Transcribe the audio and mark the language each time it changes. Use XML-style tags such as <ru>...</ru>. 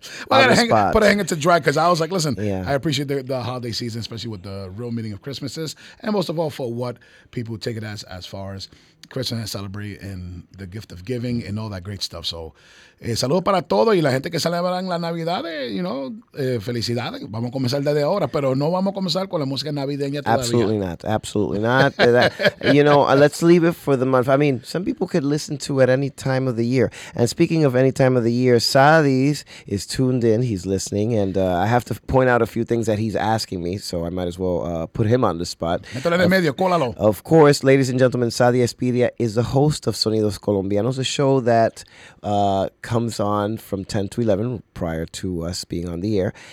<en>Well, I had to put a hanger to dry because I was like, listen, I appreciate the holiday season, especially with the real meaning of Christmas is, and most of all for what people take it as far as Christmas and celebrate and the gift of giving and all that great stuff. So,</en> <es>saludos para todos y la gente que celebran la Navidad,</es> <en>you know,</en> <es>felicidades. Vamos a comenzar desde ahora, pero no vamos a comenzar con la música navideña todavía.</es> <en>Absolutely not. Absolutely not. You know, let's leave it for the month. I mean, some people could listen to it any time of the year. And speaking of any time of the year, Sadis is tuned in. He's listening. And I have to point out a few things that he's asking me, so I might as well put him on the spot. Of course, ladies and gentlemen, Sadi Espiria is the host of Sonidos Colombianos, a show that comes on from 10 to 11 prior to us being on the air.</en>